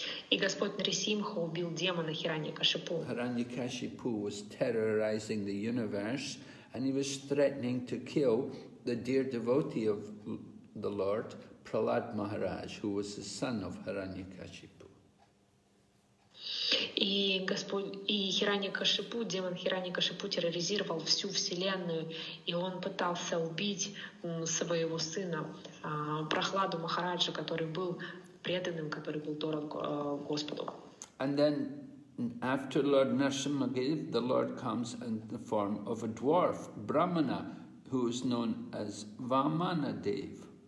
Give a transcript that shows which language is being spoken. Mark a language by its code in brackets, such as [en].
[ru] И Господь Нрсимха убил демона Хираньякашипу. [en] Hiranyakashipu was terrorizing the universe, and he was threatening to kill the dear devotee of the Lord, Prahlad Maharaj, who was the son of Hiranyakashipu. [ru] И Господь, и Хираньякашипу, демон Хираньякашипу терроризировал всю Вселенную, и он пытался убить своего сына, Прахладу Махараджа, который был преданным, который был дорог Господу. [en] And then after Lord Nrsimha gave, the Lord comes in the form of a dwarf, Brahmana, who is known as Vamanadev.